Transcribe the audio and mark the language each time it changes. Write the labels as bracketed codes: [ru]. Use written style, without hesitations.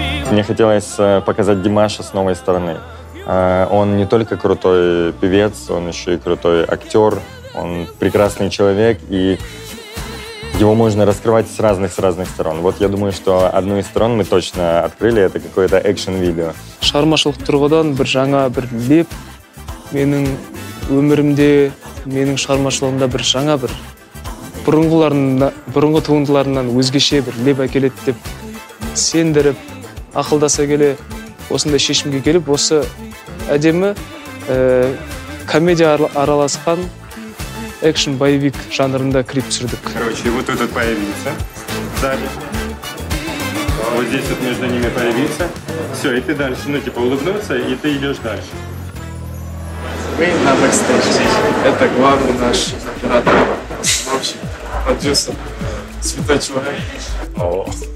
[ru] Мне хотелось показать Димаша с новой стороны. Он не только крутой певец, он еще и крутой актер, он прекрасный человек, и его можно раскрывать с разных сторон. Вот я думаю, что одну из сторон мы точно открыли, это какое-то экшен-видео. [kk] Шығармашылық тұрғыдан бір жаңа бір леп, менің өмірімде, менің шығармашылығымда бір жаңа бір, бұрынғы туындыларынан өзгеше бір леп әкеледі деп сендіріп, ақылдаса келе, осында шешімге келіп, осы әдемі комедия араласқан экшн-байвик жанрында клип түсірдік. [ru] Короче, вот тут появился, сзади. Вот здесь вот между ними появился. Все, и ты дальше, ну типа улыбнулся, и ты идешь дальше. Мы на бэкстейдже. Это главный наш оператор, в общем, продюсер, святой человек.